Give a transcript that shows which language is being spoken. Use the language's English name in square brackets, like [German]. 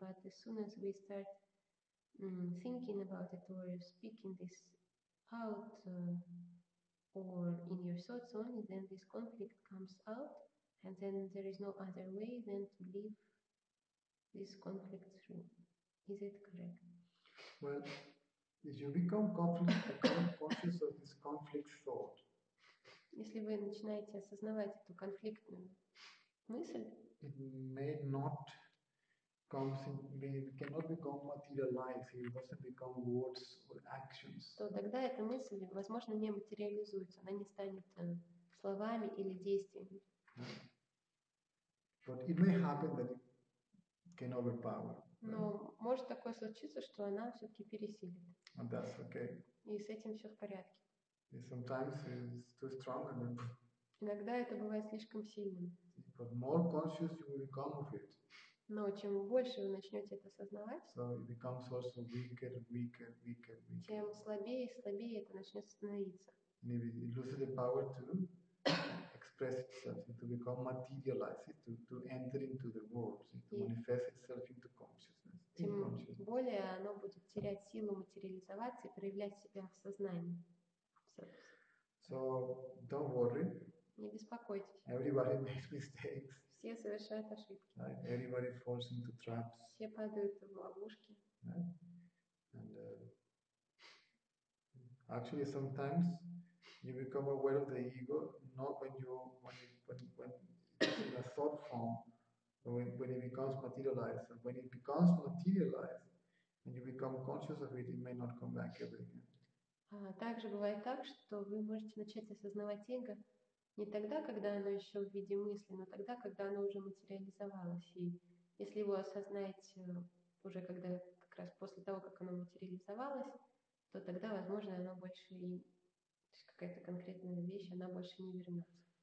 [English] But as soon as we start thinking about it or speaking this out or in your thoughts only, then this conflict comes out and then there is no other way than to leave this conflict through. Is it correct? Well, if you become conscious of this conflict thought, [Russian] если вы начинаете осознавать эту конфликтную мысль, [English] it may not come, it cannot become materialized, it doesn't become words or actions. [Russian] То тогда эта мысль, возможно, не материализуется, она не станет словами или действиями. [English] But it may happen that it can overpower. [Russian] Но может такое случиться, что она все-таки пересилит. [English] And that's okay. [Russian] И с этим все в порядке. [English] Sometimes it's too strong, and [Russian] иногда это бывает слишком сильным. [English] But more conscious you will become of it. [Russian] Но чем больше вы начнете это осознавать, [English] so it becomes also weaker, weaker, weaker, weaker. [Russian] Тем слабее и слабее это начнет становиться. [English] Maybe it loses the power to express itself, to become materialized, to enter into the world, to manifest itself into consciousness. [Russian] Тем более оно будет терять силу материализоваться и проявлять себя в сознании. [English] So don't worry. [Russian] Не беспокойтесь. [English] Everybody makes mistakes. [Russian] Все совершают ошибки. [English] Right? Everybody falls into traps. [Russian] Все падают в ловушки. [English] Right? And actually, sometimes you become aware of the ego not when it's in a thought form, but when it becomes materialized. And when it becomes materialized, and you become conscious of it, it may not come back ever again. [Russian] Также бывает так, что вы можете начать осознавать эго не тогда, когда оно еще в виде мысли, но тогда, когда оно уже материализовалось. И если его осознать уже когда как раз после того, как оно материализовалось, то тогда, возможно, оно больше и то есть какая-то конкретная вещь, она больше не вернется.